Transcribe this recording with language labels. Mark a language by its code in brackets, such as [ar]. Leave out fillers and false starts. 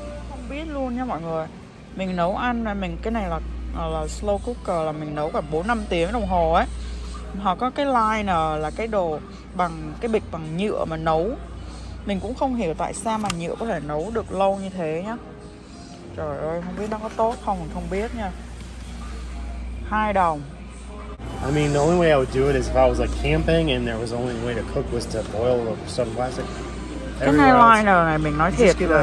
[vi] Không biết luôn nha mọi người. Mình nấu ăn mình cái này là slow cooker, là mình nấu cả 4-5 tiếng đồng hồ ấy. Họ có cái liner là cái đồ bằng cái bịch bằng nhựa mà nấu. Mình cũng không hiểu tại sao mà nhựa có thể nấu được lâu như thế nhá. Trời ơi, không biết nó có tốt không, không biết nha. 2 đồng. [en] I mean, the only way I would do it is if I was like camping and there was only way to cook was to boil some plastic. [vi] Cái này liner này mình nói thiệt là